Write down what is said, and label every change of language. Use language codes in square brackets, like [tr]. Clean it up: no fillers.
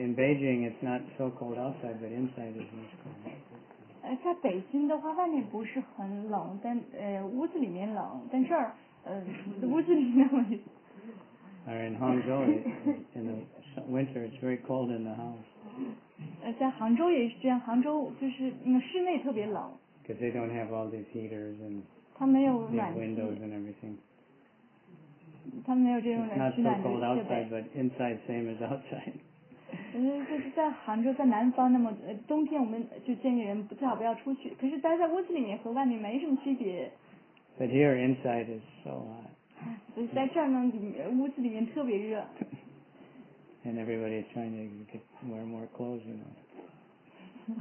[en] In Beijing, it's not so cold outside, but inside is much colder. [zh] 在北京的话，外面不是很冷，但屋子里面冷。但这儿屋子里面冷。 [en] Or in Hangzhou, in the winter, it's very cold in the house. [zh] 在杭州也是这样，杭州就是室内特别冷。 [en] Because they don't have all these heaters and. [zh] 它没有暖气。 [en] Windows and everything. [zh] 他们没有这种暖气暖的设备。 [en] It's not so cold outside, but inside same as outside. [zh] 就是在杭州，在南方，那么冬天我们就建议人最好不要出去。可是待在屋子里面和外面没什么区别。 [en] But here inside is so hot. [zh] 所以在这儿呢，屋子里面特别热。 [en] And everybody is trying to get wear more clothes, you know.